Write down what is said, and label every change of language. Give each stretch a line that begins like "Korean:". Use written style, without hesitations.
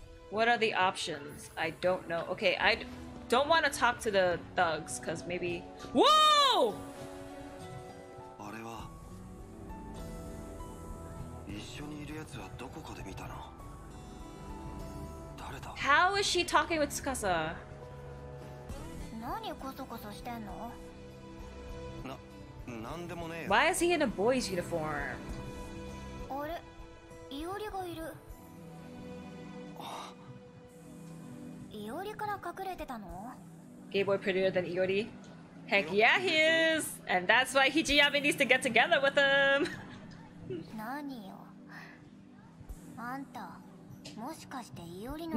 English: What are the options? I don't know. Okay, I don't want to talk to the thugs because maybe. Whoa!
Japanese: あれは一緒にいるやつはどこかで見たの？誰だ？
English: How is she talking with Tsukasa?
Japanese: 何こそこそしてんの？な、なんでもねえ。
English: Why is he in a boy's uniform?
Japanese: あれ、イオリがいる。イオリから隠れてたの？
English: Gay boy prettier than Iori? Heck yeah, he is! And that's why Hijiyami needs to get together with him!
Japanese: 何よ。あんた、もしかしてイオリの…